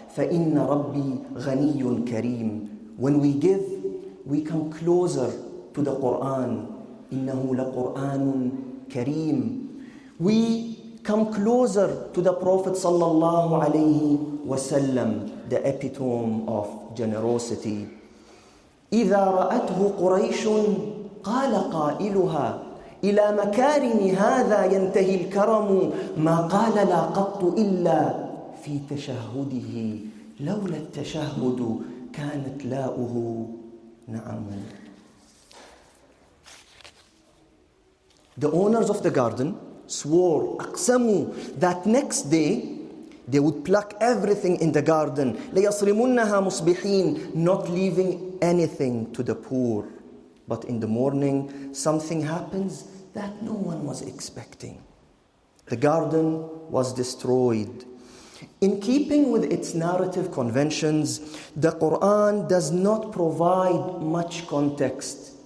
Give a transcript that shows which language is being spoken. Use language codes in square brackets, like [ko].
[ar] فَإِنَّ رَبِّي غَنِيٌّ كَرِيمٌ [en] When we give, we come closer to the Qur'an. [ar] إِنَّهُ لَقُرْآنٌ كَرِيمٌ [en] We come closer to the Prophet sallallahu alayhi wa sallam, the epitome of generosity. [ar] إِذَا رَأَتْهُ قُرَيْشٌ قَالَ قَائِلُهَا إلى مكارم هذا ينتهي الكرم ما قال لا قط إلا في تشهده لولا التشهد كانت لاؤه نعم [en] The owners of the garden swore, أقسموا, that next day They would pluck everything in the garden, [ar] لَيَصْرِمُنَّهَا مُصْبِحِينَ, [en] not leaving anything to the poor. But in the morning, something happens that no one was expecting. The garden was destroyed. In keeping with its narrative conventions, the Quran does not provide much context.